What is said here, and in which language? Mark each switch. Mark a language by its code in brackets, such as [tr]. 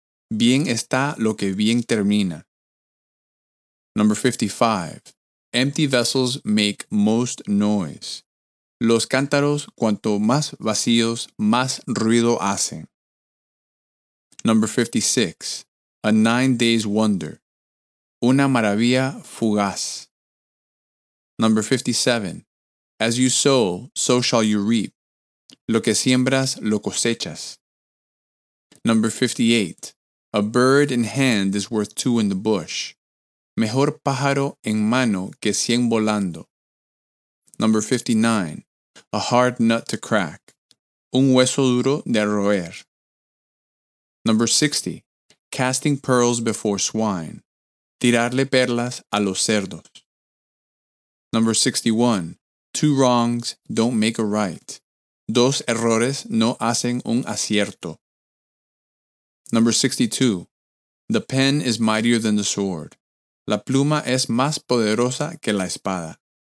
[es] Bien está lo que bien termina. [en] Number 55. Empty vessels make most noise. [es] Los cántaros, cuanto más vacíos, más ruido hacen. [en] Number 56. A 9 days wonder. [es] Una maravilla fugaz. [en] Number 57. As you sow, so shall you reap. [es] Lo que siembras, lo cosechas. [en] Number 58. A bird in hand is worth two in the bush. [es] Mejor pájaro en mano que 100 volando. [en] Number 59. A hard nut to crack. [es] Un hueso duro de roer. [en] Number 60. Casting pearls before swine. [es] Tirarle perlas a los cerdos. [en] Number 61. Two wrongs don't make a right. [es] Dos errores no hacen un acierto. [en] Number 62. The pen is mightier than the sword. [es] La pluma es más poderosa que la espada.